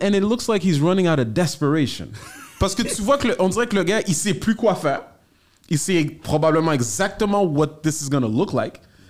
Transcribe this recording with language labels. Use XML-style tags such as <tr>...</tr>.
<en>And it looks like he's running out of desperation.</en> <fr>Parce que tu vois qu'on dirait que le gars, il sait plus quoi faire. Il sait probablement exactement</fr> <en>what this is going to look like.</en>